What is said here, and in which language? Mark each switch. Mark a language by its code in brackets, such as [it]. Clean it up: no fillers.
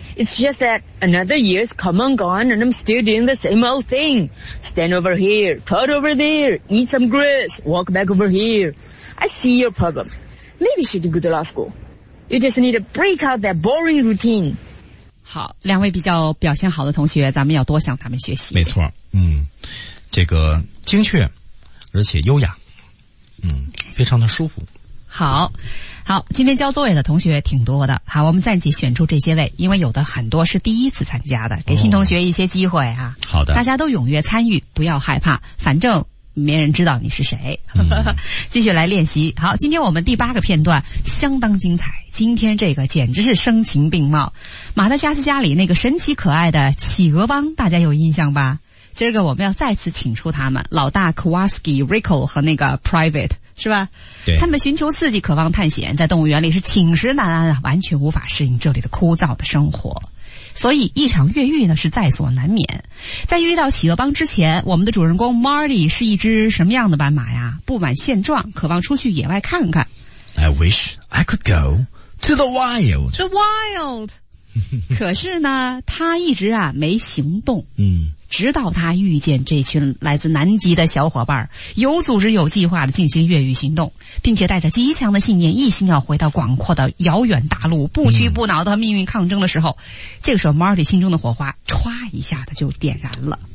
[en] It's just that another year's come and gone, and I'm still doing the same old thing. Stand over here, trot over there, eat some grass, walk back over here. I see your problem. Maybe you should go to law school. You just need to break out that boring routine. [zh] 好，两位比较表现好的同学，咱们要多向他们学习。没错，这个精确，而且优雅，非常的舒服。好，今天交作业的同学挺多的。好，我们暂且选出这些位，因为有的很多是第一次参加的，给新同学一些机会啊。好的，大家都踊跃参与，不要害怕，反正。没人知道你是谁。继续来练习。好，今天我们第八个片段相当精彩，今天这个简直是声情并茂。马达加斯加里那个神奇可爱的企鹅帮，大家有印象吧？今儿个我们要再次请出他们，老大 Kowalski、 Rico 和那个 Private， 是吧？对，他们寻求刺激，渴望探险，在动物园里是寝食难安，完全无法适应这里的枯燥的生活，所以一场越狱呢是在所难免。在遇到企鹅帮之前，我们的主人公 Marty 是一只什么样的斑马呀？不满现状，渴望出去野外看看。 [en] I wish I could go to the wild. The wild. [zh] 可是呢他一直啊没行动。直到他遇见这群来自南极的小伙伴，有组织有计划的进行越狱行动，并且带着极强的信念，一心要回到广阔的遥远大陆，不屈不挠的命运抗争的时候，这个时候 Marty 心中的火花唰一下子就点燃了。